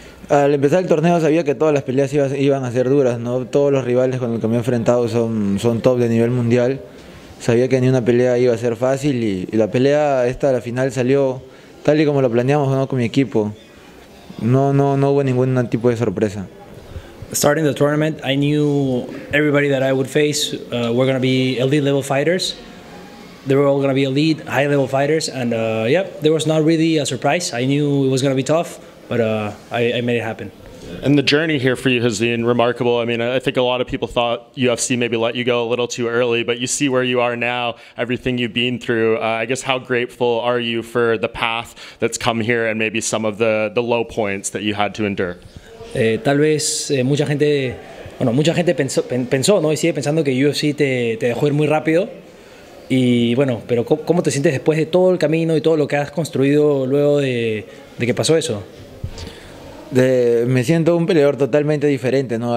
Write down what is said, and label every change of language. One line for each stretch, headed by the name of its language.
Spanish: Al empezar el torneo sabía que todas las peleas iban a ser duras, ¿no? Todos los rivales con los que me he enfrentado son top de nivel mundial. Sabía que ni una pelea iba a ser fácil y la pelea esta, la final, salió tal y como lo planeamos, ¿no? Con mi equipo. No hubo ningún tipo de sorpresa.
English: Starting the tournament, I knew everybody that I would face were going to be elite level fighters. They were all going to be elite, high level fighters, and there was not really a surprise. I knew it was going to be tough, but I made it happen. And the journey here for you has been remarkable. I mean, I think a lot of people thought UFC maybe let you go a little too early, but you see where you are now, everything you've been through. I guess, how grateful are you for the path that's come here and maybe some of the low points that you had to endure?
Spanish: Tal vez mucha gente pensó, ¿no? Y sigue pensando que UFC te dejó ir muy rápido. Y bueno, pero ¿cómo te sientes después de todo el camino y todo lo que has construido luego de que pasó eso? Me siento un peleador totalmente diferente, ¿no?